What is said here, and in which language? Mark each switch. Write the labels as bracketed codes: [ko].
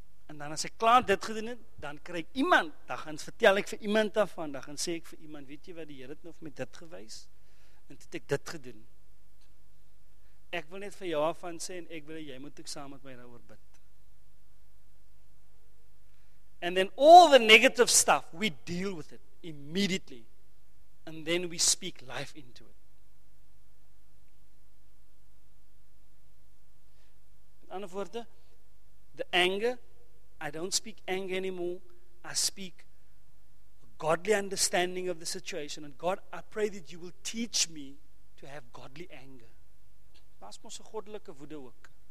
[af] En dan as ek klaar dit gedoen het, dan kry ek iemand, dan gaan vertel ek vir iemand daarvan, dan sê ek vir iemand, weet jy wat die Here het nou met dit gewys? En toe het ek dit gedoen. Ek wil net vir jou afvan sê, en ek wil, jy moet ook saam met my daar oor bid. [en] And then all the negative stuff, we deal with it immediately. And then we speak life into it. [af] In ander woorde, [en] the anger, I don't speak anger anymore. I speak a godly understanding of the situation. And God, I pray that you will teach me to have godly anger. [af] Pas mos 'n goddelike woede ook.